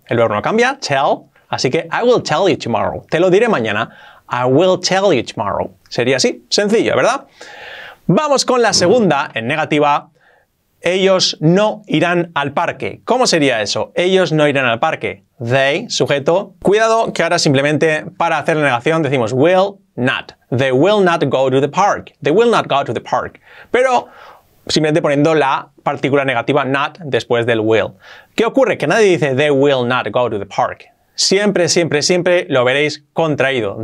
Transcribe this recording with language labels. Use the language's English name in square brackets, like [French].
[Spanish] El verbo no cambia, [English] tell, [Spanish] así que [English] I will tell you tomorrow. [Spanish] Te lo diré mañana, [English] I will tell you tomorrow. [Spanish] Sería así, sencillo, ¿verdad? Vamos con la segunda, en negativa. Ellos no irán al parque. ¿Cómo sería eso? Ellos no irán al parque. They, sujeto. Cuidado que ahora simplemente para hacer la negación decimos will not. [English] They will not go to the park. They will not go to the park. [Spanish] Pero simplemente poniendo la partícula negativa not después del will. ¿Qué ocurre? Que nadie dice [English] they will not go to the park. [Spanish] Siempre, siempre, siempre lo veréis contraído.